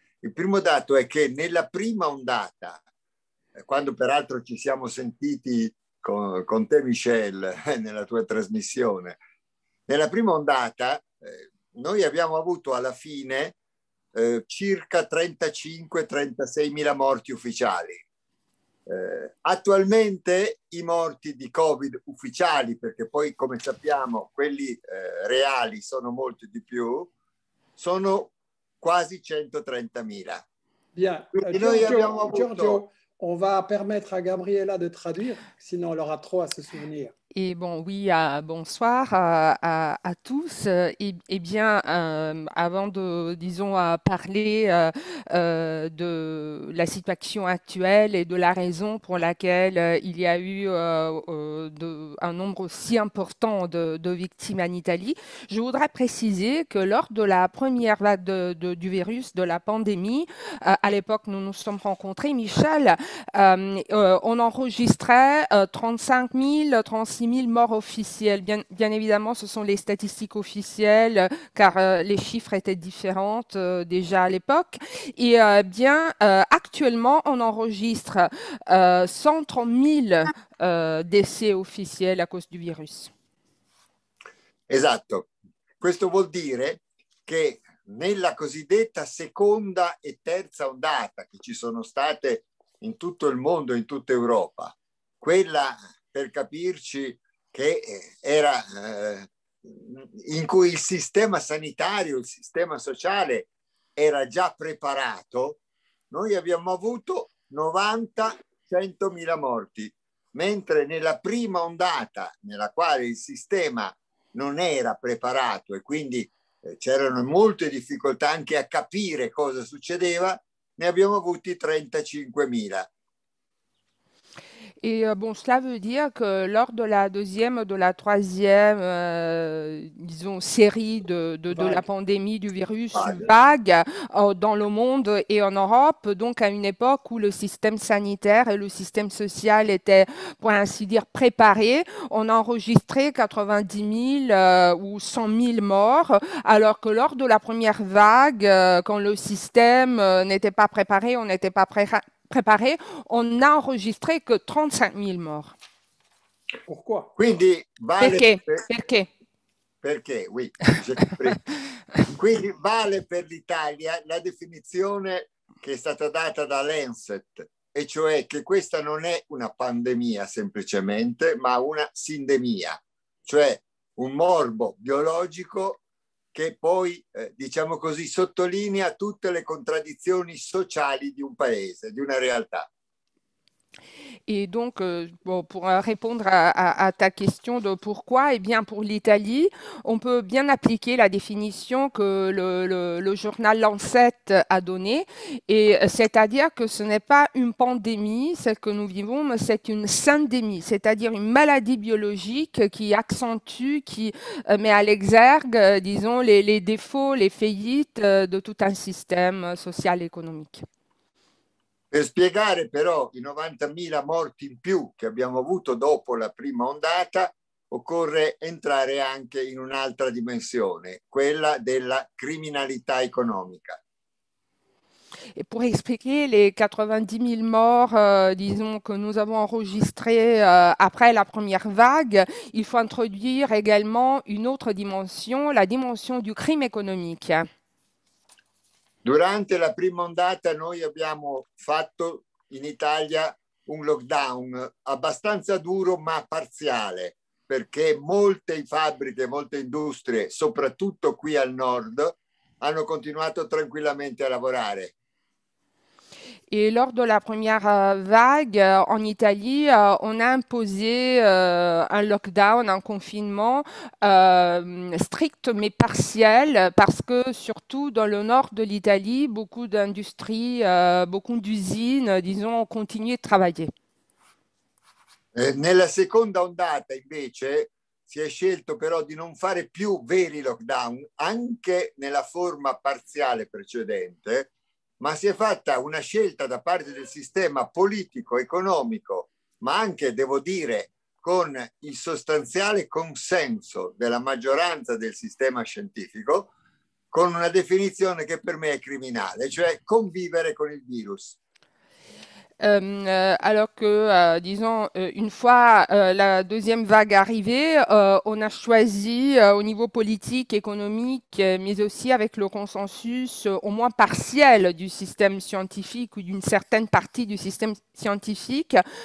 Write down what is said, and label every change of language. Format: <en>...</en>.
<it>Il primo dato è che nella prima ondata, quando peraltro ci siamo sentiti con te, Michel, nella tua trasmissione, nella prima ondata noi abbiamo avuto alla fine circa 35-36 mila morti ufficiali. Attualmente i morti di Covid ufficiali, perché poi come sappiamo quelli reali sono molti di più, sono quasi 130 mila.</it> <fr>Bien,</fr> <it>Quindi noi abbiamo avuto.</it> <fr>Giorgio, on va permettre à Gabriella de traduire, sinon elle aura trop à se souvenir. Et bon, oui, bonsoir à tous. Eh bien, avant de, disons, à parler de la situation actuelle et de la raison pour laquelle il y a eu un nombre si important de victimes en Italie, je voudrais préciser que lors de la première vague du virus, de la pandémie, à l'époque nous nous sommes rencontrés, Michel, on enregistrait 35 000, 36 000 morts officiels. Bien évidemment, ce sont les statistiques officielles, car les chiffres étaient différents déjà à l'époque. Et bien, actuellement, on enregistre 130 000 décès officiels à cause du virus.</fr> <it>Esatto, questo vuol dire che nella cosiddetta seconda e terza ondata che ci sono state in tutto il mondo, in tutta Europa, quella per capirci che era in cui il sistema sanitario, il sistema sociale era già preparato, noi abbiamo avuto 90-100.000 morti, mentre nella prima ondata nella quale il sistema non era preparato e quindi c'erano molte difficoltà anche a capire cosa succedeva, ne abbiamo avuti 35.000.</it> <fr>Et bon, cela veut dire que lors de la deuxième, de la troisième, disons, série de la Vague. pandémie du virus, Vague. vague dans le monde et en Europe, donc à une époque où le système sanitaire et le système social étaient, pour ainsi dire, préparés, on a enregistré 90 000 ou 100 000 morts, alors que lors de la première vague, quand le système n'était pas préparé, on n'était pas prêt préparée, on n'a enregistré que 35 000 morts. Pourquoi?</fr> <it>Quindi vale Perché? per... Perché? Perché?</it> <fr>Oui, j'ai compris.</fr> <it>Quindi vale per l'Italia la definizione che è stata data da Lancet, e cioè che questa non è una pandemia semplicemente, ma una sindemia, cioè un morbo biologico che poi, diciamo così, sottolinea tutte le contraddizioni sociali di un paese, di una realtà.</it> <fr>Et donc, bon, pour répondre à ta question de pourquoi, eh bien, pour l'Italie, on peut bien appliquer la définition que le journal Lancet a donnée, et c'est-à-dire que ce n'est pas une pandémie, celle que nous vivons, mais c'est une syndémie, c'est-à-dire une maladie biologique qui accentue, qui met à l'exergue, disons, les défauts, les faillites de tout un système social et économique.</fr> <it>Per spiegare però i 90.000 morti in più che abbiamo avuto dopo la prima ondata, occorre entrare anche in un'altra dimensione, quella della criminalità economica.</it> <fr>Et pour expliquer les 90 000 morts, disons, que nous avons enregistrés après la première vague, il faut introduire également une autre dimension, la dimension du crime économique.</fr> <it>Durante la prima ondata noi abbiamo fatto in Italia un lockdown abbastanza duro ma parziale, perché molte fabbriche, molte industrie, soprattutto qui al nord, hanno continuato tranquillamente a lavorare.</it> <fr>Et lors de la première vague en Italie, on a imposé un lockdown, un confinement strict mais partiel, parce que surtout dans le nord de l'Italie, beaucoup d'industries, beaucoup d'usines, disons, ont continué de travailler.</fr> <it>Nella seconda ondata, invece, si è scelto però di non fare più veri lockdown, anche nella forma parziale precedente. Ma si è fatta una scelta da parte del sistema politico, economico, ma anche, devo dire, con il sostanziale consenso della maggioranza del sistema scientifico, con una definizione che per me è criminale, cioè convivere con il virus.</it> <fr>Alors que, disons, une fois la deuxième vague arrivée, on a choisi au niveau politique, économique, mais aussi avec le consensus au moins partiel du système scientifique ou d'une certaine partie du système scientifique.</fr>